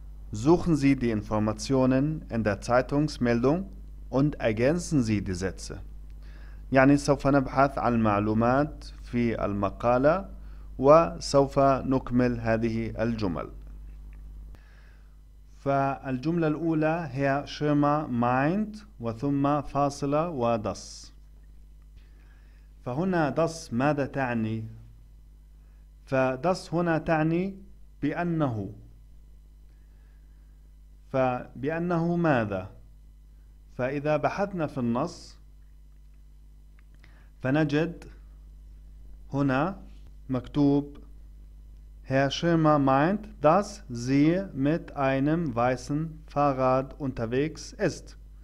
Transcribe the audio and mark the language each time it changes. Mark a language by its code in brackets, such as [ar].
[de] Suchen Sie die Informationen in der Zeitungsmeldung und ergänzen Sie die Sätze. [ar] Yani سوف نبحث عن المعلومات في المقالة وسوف نكمل هذه الجمل. فالجملة الأولى هي شيما meint وثم فاصلة وDAS. فهنا دس ماذا تعني؟ فدس هنا تعني بأنه. [de] فبأنه ماذا؟ [ar] فإذا بحثنا في النص فنجد هنا مكتوب [de] Herr Schirmer meint, dass sie mit einem weißen Fahrrad unterwegs ist.